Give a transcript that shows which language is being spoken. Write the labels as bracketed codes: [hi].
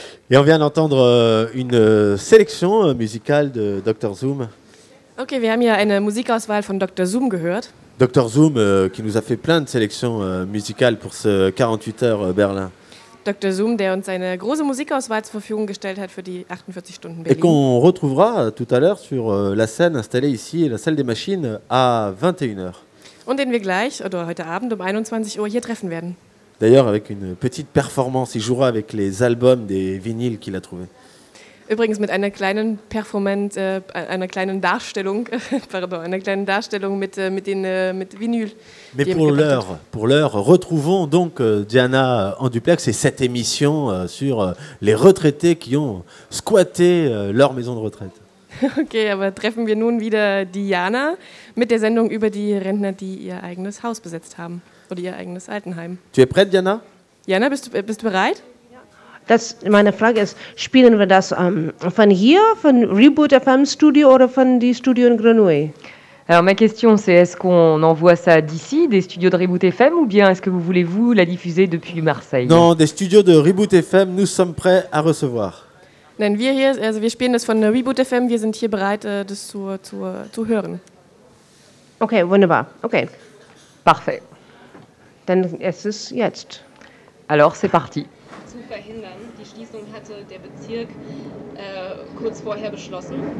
[fr] Et on vient d'entendre une sélection musicale de Dr. Zoom. [de] Ok, wir haben ja eine Musikauswahl von Dr. Zoom gehört. [fr] Dr. Zoom, qui nous a fait plein de sélections musicales pour ce 48 heures Berlin. [de] Dr. Zoom, der uns eine große Musikauswahl zur Verfügung gestellt hat für die 48 Stunden Berlin. [fr] Et qu'on retrouvera tout à l'heure sur la scène installée ici, la salle des machines, à 21h. [de] Und den wir gleich, oder heute Abend um 21 Uhr, hier treffen werden. [fr] D'ailleurs, avec une petite performance, il jouera avec les albums des vinyles qu'il a trouvés. [de] Übrigens mit einer kleinen Performance, einer kleinen Darstellung mit Vinyl. [fr] Mais pour l'heure, retrouvons donc Diana en duplex et cette émission sur les retraités qui ont squatté leur maison de retraite. [de] Okay, aber treffen wir nun wieder Diana mit der Sendung über die Rentner, die ihr eigenes Haus besetzt haben oder ihr eigenes Altenheim. [fr] Tu es prête, Diana? [de] Diana, bist du bereit? Das, meine Frage ist, spielen wir das von hier, von Reboot FM Studio oder von die Studio in Grenouille? [fr] Alors ma question c'est, est-ce qu'on envoie ça d'ici, des studios de Reboot FM, ou bien est-ce que vous voulez vous la diffuser depuis Marseille? Non, des studios de Reboot FM, nous sommes prêts à recevoir. [de] Nein, wir hier, also wir spielen das von Reboot FM, wir sind hier bereit, das zu hören. Okay, wunderbar. Okay, [fr] parfait. [de] Dann es ist jetzt. [fr] Alors, c'est parti. [de] Zu verhindern, die Schließung hatte der Bezirk kurz vorher beschlossen.